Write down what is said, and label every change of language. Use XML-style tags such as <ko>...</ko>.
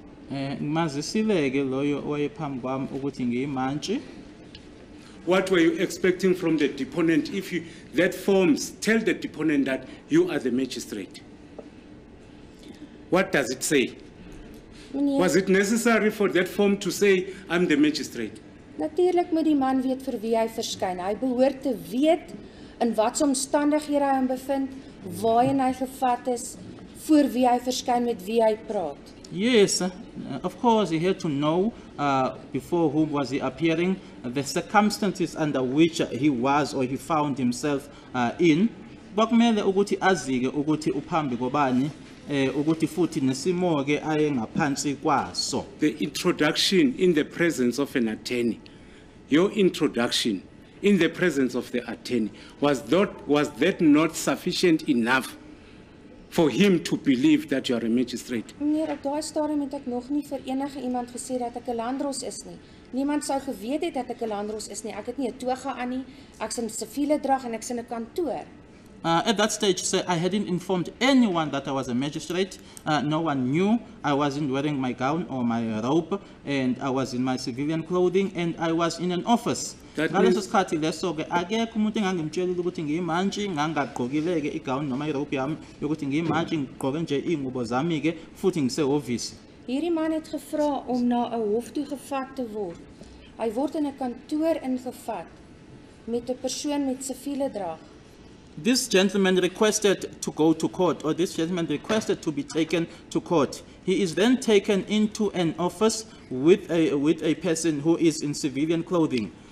<en>What were you expecting from the deponent? If you that forms, tell the deponent that you are the magistrate. What does it say?</en> <af>Meneer,</af> <en>was it necessary for that form to say, I'm the magistrate?</en> <af>Natuurlijk moet die man weet vir wie hy verskyn. Hy behoort te weet in watse omstandighede hy hom bevind, waarheen hy gevat is, voor wie hy verskyn, met wie hy praat.</af> <en>Yes, of course he had to know before whom was he appearing, the circumstances under which he was or he found himself in.</en> <zu>Bakumele ukuthi azike ukuthi uphambi kobani, ukuthi futhi nesimoke ayengaphansi kwaso.</zu> <en>The introduction in the presence of an attorney, your introduction in the presence of the attorney, was that not sufficient enough for him to believe that you are a magistrate?</en> <af>Meneer, op daai stadium het ek nog nie vir enige iemand gesê dat ek 'n landros is nie. Niemand sou geweet het dat ek 'n landros is nie. Ek het nie 'n toga aan nie. Ek's in siviele drag en ek's in 'n kantoor.</af> <en>At that stage, sir, I hadn't informed anyone that I was a magistrate. No one knew. I wasn't wearing my gown or my robe, and I was in my civilian clothing, and I was in an office.</en> <af>Hierdie man het gevra om na 'n hof toe gevat te word. Hy word in 'n kantoor ingevat met 'n persoon met siviele drag.</af> <en>This gentleman requested to go to court, or this gentleman requested to be taken to court. He is then taken into an office with a person who is in civilian clothing.</en>